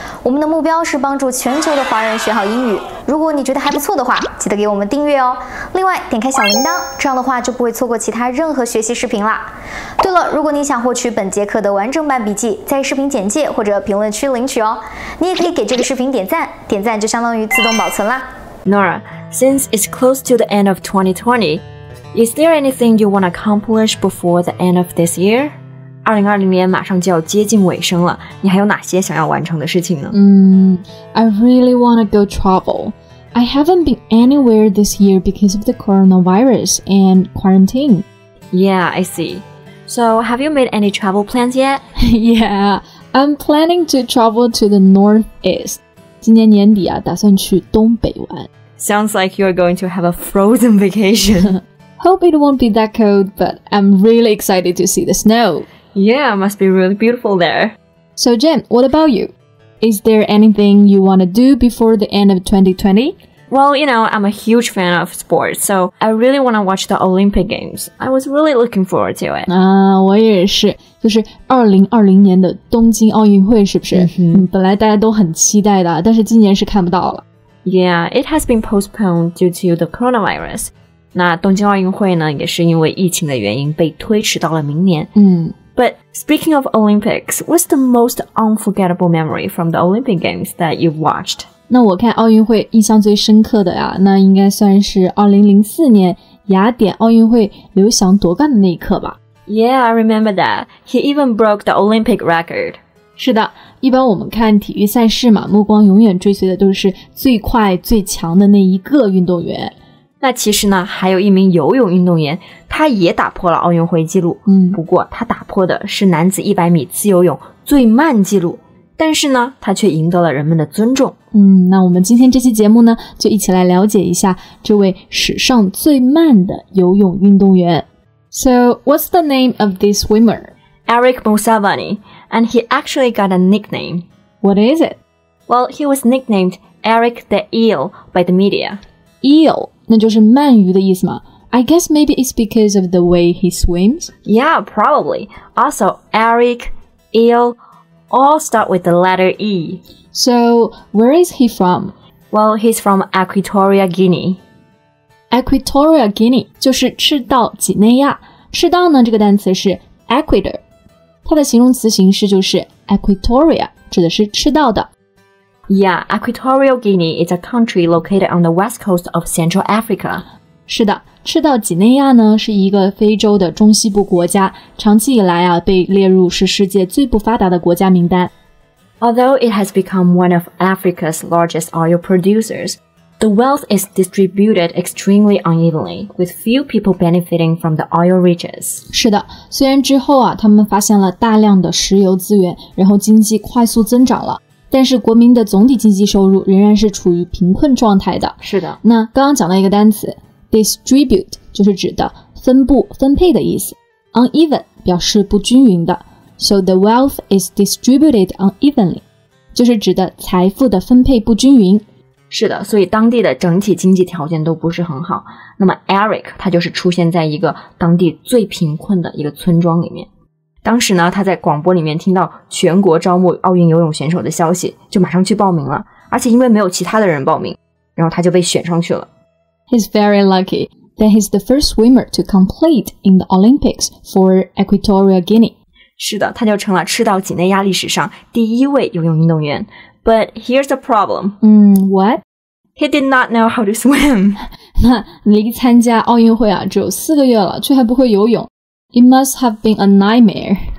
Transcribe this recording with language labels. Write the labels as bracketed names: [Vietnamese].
[Chinese] 我们的目标是帮助全球的华人学好英语。如果你觉得还不错的话，记得给我们订阅哦。另外，点开小铃铛，这样的话就不会错过其他任何学习视频啦。对了，如果你想获取本节课的完整版笔记，在视频简介或者评论区领取哦。你也可以给这个视频点赞，点赞就相当于自动保存啦。 [English] Nora, since it's close to the end of 2020, is there anything you want to accomplish before the end of this year? [Chinese] 2020年马上就要接近尾声了，你还有哪些想要完成的事情呢？ [English] I really want to go travel. I haven't been anywhere this year because of the coronavirus and quarantine. Yeah, I see. So, have you made any travel plans yet? Yeah, I'm planning to travel to the northeast. [Chinese] 今年年底啊，打算去东北玩。 [English] Sounds like you're going to have a frozen vacation. Hope it won't be that cold, but I'm really excited to see the snow. Yeah, it must be really beautiful there. So Jen, what about you? Is there anything you want to do before the end of 2020? Well, you know, I'm a huge fan of sports, so I really want to watch the Olympic Games. I was really looking forward to it. [Chinese] 我也是，就是2020年的东京奥运会，是不是？ Mm-hmm. 本来大家都很期待的，但是今年是看不到了。 [English] Yeah, it has been postponed due to the coronavirus. [Chinese] 那东京奥运会呢，也是因为疫情的原因被推迟到了明年。 [English] But speaking of Olympics, what's the most unforgettable memory from the Olympic Games that you've watched? [Chinese] 那我看奥运会印象最深刻的呀，那应该算是2004年雅典奥运会刘翔夺冠的那一刻吧。 [English] Yeah, I remember that. He even broke the Olympic record. [Chinese] 是的，一般我们看体育赛事嘛，目光永远追随的都是最快最强的那一个运动员。那其实呢还有一名游泳运动员，他也打破了奥运会记录。不过他打破的是男子100米自由泳最慢记录，但是呢他却赢得了人们的尊重。那我们今天这期节目呢就一起来了解一下这位史上最慢的游泳运动员。 [English] So what's the name of this swimmer? Eric Musavani, and he actually got a nickname. What is it? Well, he was nicknamed Eric the Eel by the media. [Chinese] Eel? 那就是鳗鱼的意思吗? [English] I guess maybe it's because of the way he swims. Yeah, probably. Also, Eric, Eel, all start with the letter E. So, where is he from? Well, he's from Equatorial Guinea. [Chinese] Equatorial Guinea 就是赤道几内亚。赤道呢这个单词是 Equator. 它的形容词形式就是 Equatorial, 指的是赤道的。 [English] Yeah, Equatorial Guinea is a country located on the west coast of Central Africa. [Chinese] 是的，赤道几内亚呢是一个非洲的中西部国家，长期以来啊被列入是世界最不发达的国家名单。 [English] Although it has become one of Africa's largest oil producers, the wealth is distributed extremely unevenly, with few people benefiting from the oil riches. [Chinese] 是的，虽然之后啊他们发现了大量的石油资源，然后经济快速增长了。但是国民的总体经济收入仍然是处于贫困状态的。是的。那刚刚讲到一个单词 distribute 就是指的分布分配的意思。 Uneven 表示不均匀的。 [English] So the wealth is distributed unevenly, [Chinese] 就是指的财富的分配不均匀。是的，所以当地的整体经济条件都不是很好。那么 Eric, 他就是出现在一个当地最贫困的一个村庄里面。当时呢他在广播里面听到全国招募奥运游泳选手的消息，就马上去报名了，而且因为没有其他的人报名，然后他就被选上去了。 [English] He's very lucky that he's the first swimmer to compete in the Olympics for Equatorial Guinea. [Chinese] 是的，他就成了赤道几内亚历史上第一位游泳运动员。 [English] But here's the problem. What? He did not know how to swim. [Chinese] 那离参加奥运会啊只有四个月了，却还不会游泳。 [English] It must have been a nightmare.